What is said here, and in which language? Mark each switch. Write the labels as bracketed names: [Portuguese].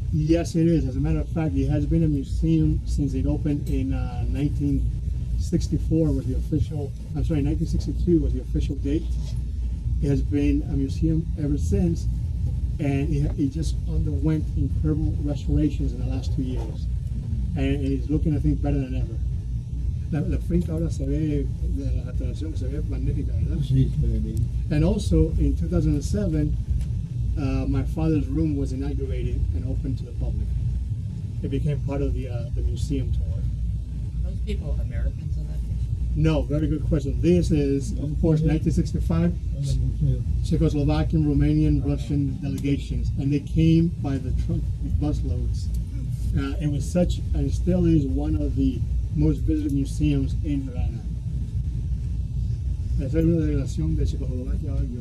[English] Yes, it is. As a matter of fact, it has been a museum since it opened in 1964 was the official, I'm sorry, 1962 was the official date. It has been a museum ever since, and it just underwent incredible restorations in the last 2 years. And it's looking, I think, better than ever. [Spanish] La finca ahora se ve, la atracción se ve magnífica, ¿verdad? Sí, muy bien. [English] And also, in 2007, my father's room was inaugurated and opened to the public. It became part of the museum tour. Are those people Americans in that picture? No, very good question. This is, of course, 1965. Czechoslovakian, Romanian, Russian delegations, and they came by the trunk busloads. It was such, and still is one of the most visited museums in Havana. [Spanish] Es una delegación de Checoslovaquia.